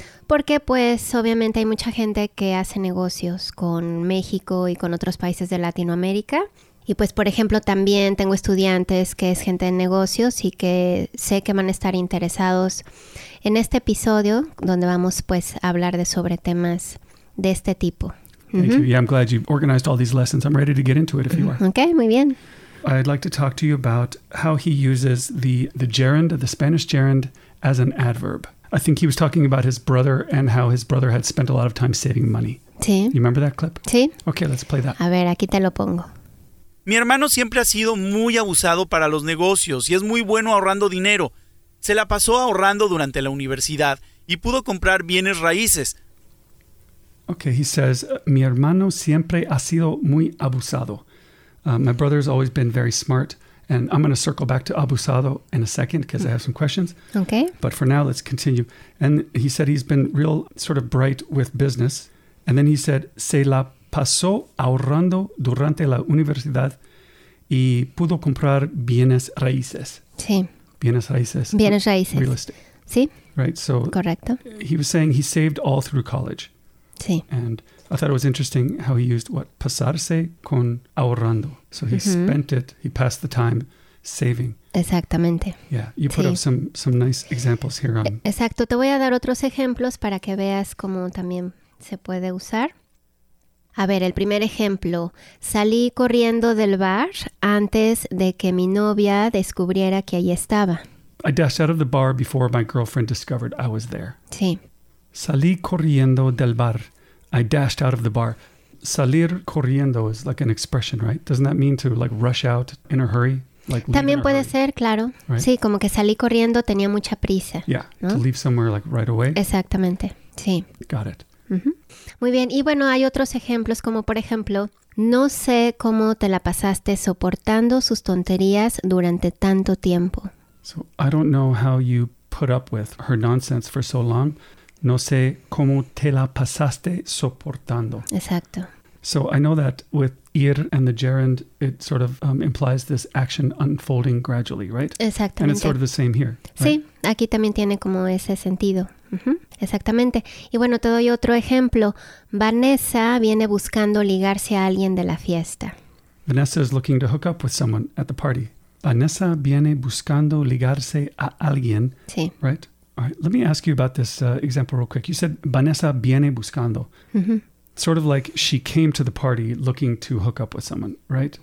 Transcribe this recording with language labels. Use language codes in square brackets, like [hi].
[es] Porque, pues, obviamente hay mucha gente que hace negocios con México y con otros países de Latinoamérica. Y, pues, por ejemplo, también tengo estudiantes que es gente de negocios y que sé que van a estar interesados en este episodio donde vamos, pues, a hablar de sobre temas de este tipo. [en] Thank you. Yeah, I'm glad you organized all these lessons. I'm ready to get into it if you are. [es] Okay, muy bien. [en] I'd like to talk to you about how he uses the gerund, the Spanish gerund, as an adverb. I think he was talking about his brother and how his brother had spent a lot of time saving money. [es] Sí. [en] You remember that clip? [es] Sí. [en] Okay, let's play that. [es] A ver, aquí te lo pongo. Mi hermano siempre ha sido muy abusado para los negocios y es muy bueno ahorrando dinero. Se la pasó ahorrando durante la universidad y pudo comprar bienes raíces. [en] Okay, he says, [es] mi hermano siempre ha sido muy abusado. [en] My brother's always been very smart, and I'm going to circle back to abusado in a second because I have some questions. Okay. But for now, let's continue. And he said he's been real sort of bright with business. And then he said, [es] se la pasó ahorrando durante la universidad y pudo comprar bienes raíces. Sí. Bienes raíces. Bienes raíces. [en] Real estate. [es] Sí. [en] Right, so. [es] Correcto. [en] He was saying he saved all through college. [es] Sí. [en] And I thought it was interesting how he used what? [es] Pasarse con ahorrando. [en] So he mm-hmm. spent it, he passed the time saving. [es] Exactamente. [en] Yeah, you put sí. up some nice examples here. On. [es] Exacto, te voy a dar otros ejemplos para que veas cómo también se puede usar. A ver, el primer ejemplo. Salí corriendo del bar antes de que mi novia descubriera que allí estaba. [en] I dashed out of the bar before my girlfriend discovered I was there. [es] Sí. Salí corriendo del bar. [en] I dashed out of the bar. Salir corriendo is like an expression, right? Doesn't that mean to like rush out in a hurry? Like [es] también puede hurry? Ser, claro. Right? Sí, como que salí corriendo, tenía mucha prisa. [en] Yeah, ¿no? To leave somewhere like right away. [es] Exactamente, sí. [en] Got it. Uh-huh. [es] Muy bien, y bueno, hay otros ejemplos como por ejemplo, no sé cómo te la pasaste soportando sus tonterías durante tanto tiempo. [en] So I don't know how you put up with her nonsense for so long. [es] No sé cómo te la pasaste soportando. Exacto. [en] So I know that with ir and the gerund, it sort of implies this action unfolding gradually, right? [es] Exactamente. [en] And it's sort of the same here. [es] Sí, right? Aquí también tiene como ese sentido. Uh-huh. Exactamente. Y bueno, te doy otro ejemplo. Vanessa viene buscando ligarse a alguien de la fiesta. [en] Vanessa is looking to hook up with someone at the party. [es] Vanessa viene buscando ligarse a alguien. Sí. [en] Right? All right, let me ask you about this example real quick. You said [es] Vanessa viene buscando. Mm-hmm. [en] Sort of like she came to the party looking to hook up with someone, right?